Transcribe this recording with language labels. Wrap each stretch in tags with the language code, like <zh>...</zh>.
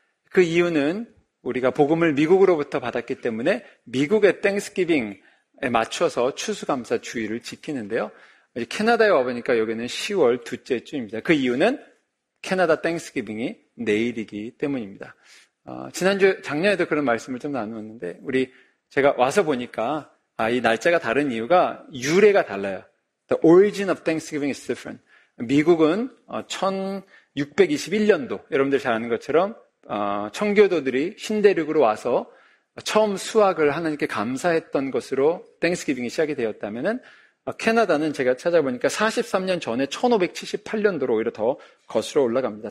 <ko>그 이유는 우리가 복음을 미국으로부터 받았기 때문에 미국의 땡스기빙에 맞춰서 추수감사 주일을 지키는데요. 캐나다에 와보니까 여기는 10월 둘째 주입니다. 그 이유는 캐나다 땡스기빙이 내일이기 때문입니다. 작년에도 그런 말씀을 좀 나누었는데 우리 제가 와서 보니까 이 날짜가 다른 이유가 유래가 달라요.</ko> <en>The origin of Thanksgiving is different.</en> <ko>미국은 1621년도 여러분들 잘 아는 것처럼 청교도들이 신대륙으로 와서 처음 수확을 하나님께 감사했던 것으로 Thanksgiving이 시작이 되었다면은 캐나다는 제가 찾아보니까 43년 전에 1578년도로 오히려 더 거슬러 올라갑니다.</ko>